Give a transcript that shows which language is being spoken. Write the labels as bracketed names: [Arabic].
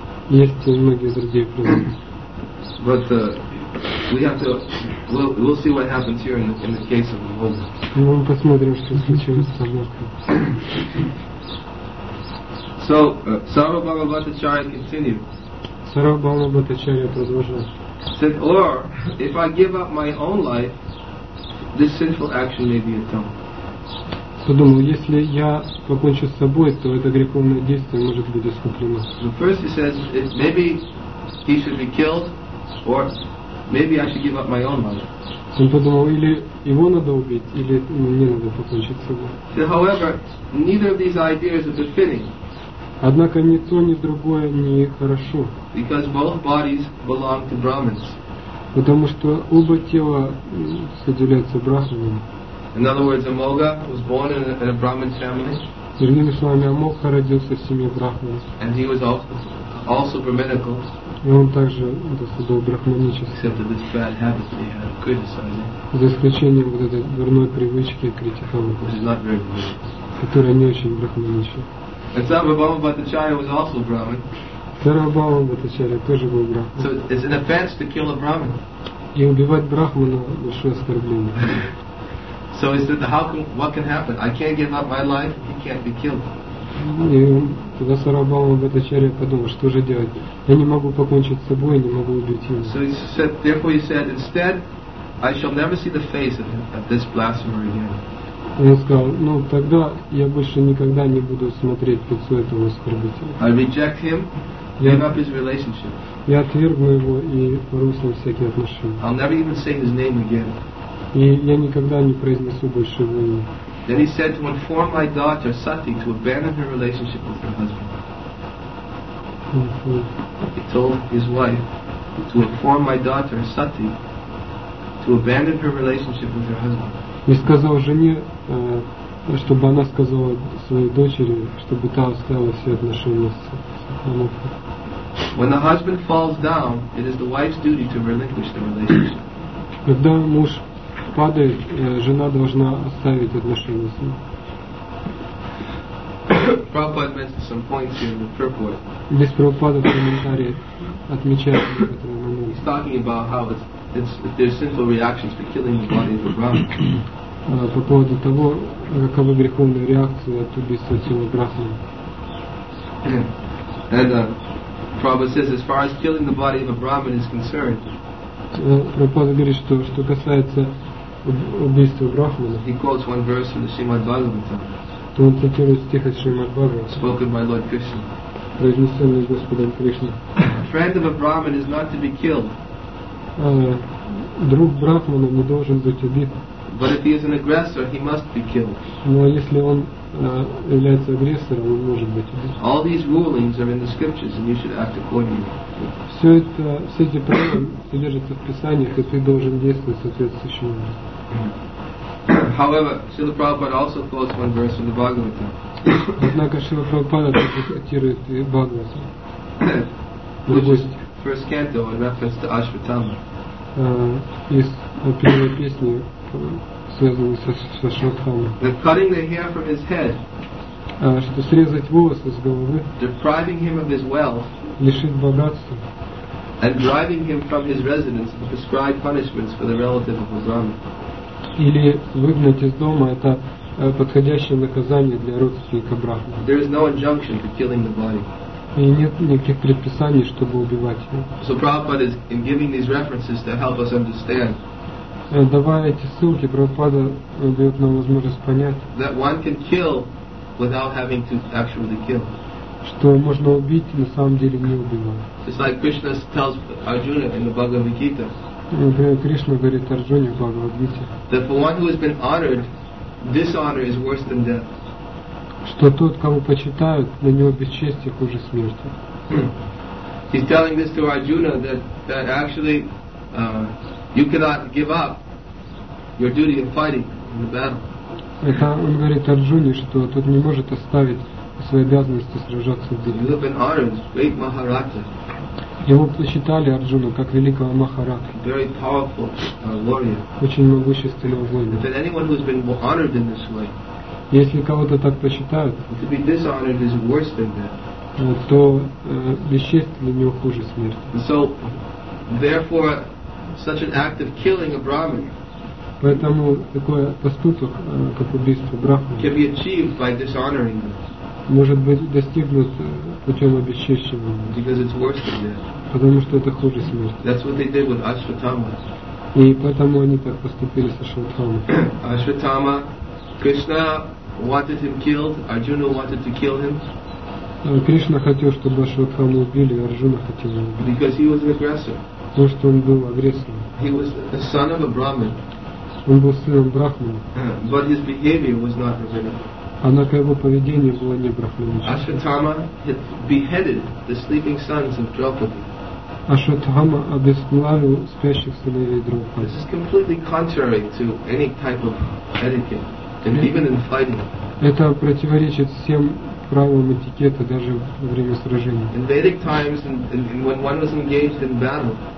[Russian] Есть многие другие примеры. [English] We'll see what happens here in the case of Amogha. [Russian] Ну, мы посмотрим, что случилось с Амогхой. [English] So, Sarvabhauma Bhattacharya continued. [Russian] Sarvabhauma Bhattacharya продолжил. [English] Said, or if I give up my own life, this sinful action may be atoned. [Russian] Подумал, если я покончу с собой, то это греховное действие может быть искуплено. [English] So first he says, if maybe he should be killed, or maybe I should give up my own life. [Russian] Он подумал, или его надо убить, или мне надо покончить с собой. [English] So, however, neither of these ideas are befitting. [Russian] Однако ни то, ни другое не хорошо. [English] Because both bodies belong to Brahmins. [Russian] Потому что оба тела соделяются брахманами. [English] In other words, Amogha was born in a Brahmin family. [Russian] Другими словами, Амогха родился в семье брахманов. [English] And he was also brahminical. [Russian] И он также был брахманичен. [English] Except that this bad habit he had of criticizing. [Russian] За исключением вот этой дурной привычки критиковать. [English] Which is not very good. [Russian] Которая не очень брахманичная. [English] And Sarvabhauma Bhattacharya was also Brahmin. [Russian] Сарвабхаума Бхаттачарья тоже был брахман. [English] So it's an offense to kill a Brahmin. [Russian] И убивать брахмана большое оскорбление. [English] So he said, how can, what can happen? I can't give up my life, he can't be killed. [Russian] И тогда Сарвабхаума Бхаттачарья подумал, что же делать? Я не могу покончить с собой, не могу убить его. [English] So he said, therefore he said, instead, I shall never see the face of this blasphemer again. [Russian] Он сказал, ну тогда я больше никогда не буду смотреть в лицо этого оскорбителя. [English] I reject him, give up his relationship. [Russian] Я отвергну его и порву с ним всякие отношения. [English] I'll never even say his name again. [Russian] И я никогда не произнесу больше его имя. [English] Then he said to inform my daughter Sati to abandon her relationship with her husband. He told his wife to inform my daughter Sati to abandon her relationship with her husband. [Russian] И сказал жене, чтобы она сказала своей дочери, чтобы та оставила все отношения с Амогхой. [English] When the husband falls down, it is the wife's duty to relinquish the relationship. [Russian] Когда муж падает, жена должна оставить отношения с ним. [English] Prabhupada mentioned some points here in the purport. [Russian] Здесь Прабхупада в комментарии отмечает некоторые моменты. [English] He's talking about how there's sinful reactions for killing the body of a Brahmin. [Russian] По поводу того, каковы греховные реакции от убийства тела брахмана. [English] And Prabhupada says, as far as killing the body of a Brahmin is concerned. [Russian] Прабхупада говорит, что касается убийства брахмана. [English] He quotes one verse from the Srimad Bhagavatam. [Russian] То он цитирует стих из Шримад Бхагаватам. [English] Spoken by Lord Krishna. [Russian] Произнесенный Господом Кришной. [English] Friend of a Brahmin is not to be killed. [Russian] Друг брахмана не должен быть убит. [English] But if he is an aggressor, he must be killed. [Russian] Но если он является агрессором, он может быть убит. [English] All these rulings are in the scriptures, and you should act accordingly. [Russian] Все это, все эти правила содержатся в Писаниях, и ты должен действовать соответствующим образом. [English] However, Srila Prabhupada also quotes one verse from the Bhagavatam. [Russian] Однако Srila Prabhupada также цитирует и Бхагаватам. [English] Which is first canto in reference to Ashvatthama. [Russian] Из первой песни. Связанный с Ашватхамой. [English] That cutting the hair from his head, [Russian] что срезать волосы с головы, [English] depriving him of his wealth, [Russian] лишить богатства, [English] and driving him from his residence to prescribe punishments for the relative of a Brahmin. [Russian] Или выгнать из дома – это подходящее наказание для родственника брахмана. [English] There is no injunction to killing the body. [Russian] И нет никаких предписаний, чтобы убивать его. [English] So Prabhupada is in giving these references to help us understand. [Russian] Давая эти ссылки, Прабхупада дает нам возможность понять, [English] that one can kill without having to actually kill. [Russian] Что можно убить, на самом деле не убивая. [English] It's like Krishna tells Arjuna in the Bhagavad Gita. [Russian] Кришна говорит Арджуне в Бхагавад Гите. [English] That for one who has been honored, dishonor is worse than death. [Russian] Что тот, кого почитают, для него бесчестие хуже смерти. [English] He's telling this to Arjuna that actually you cannot give up your duty in fighting in the battle. [Russian] Это он говорит Арджуне, что тот не может оставить свои обязанности сражаться в битве. [English] You have been honored, great Maharaja. [Russian] Его посчитали Арджуну как великого Махарака. [English] Very powerful warrior. [Russian] Очень могущественного воина. [English] But anyone who has been honored in this way, [Russian] если кого-то так посчитают, [English] to be dishonored is worse than that. [Russian] То бесчестие для него хуже смерти. [English] So, therefore, such an act of killing a Brahmin. [Russian] Поэтому такой поступок, как убийство брахмана, [English] can be achieved by dishonoring them. [Russian] Может быть достигнут путем обесчещения. [English] Because it's worse than death. [Russian] Потому что это хуже смерти. [English] That's what they did with Ashvatthama. [Russian] И поэтому они так поступили с Ашватхамой. [English] Ashvatthama, Krishna wanted him killed. Arjuna wanted to kill him. [Russian] Кришна хотел, чтобы Ашватхаму убили, а Арджуна хотел его убить. [English] Because he was an aggressor. [Russian] Потому что он был агрессором. [English] He was the son of a Brahmin. [Russian] Он был сыном брахмана. [English] But his behavior was not brahmanic. [Russian] Однако его поведение было не брахманическое. [English] Ashvatthama had beheaded the sleeping sons of Draupadi. [Russian] Ашатхама обезглавил спящих сыновей Драупады. [English] This is completely contrary to any type of etiquette, and even in fighting. [Russian] Это противоречит всем правилам этикета даже во время сражений. [English] In Vedic times, and when one was engaged in battle.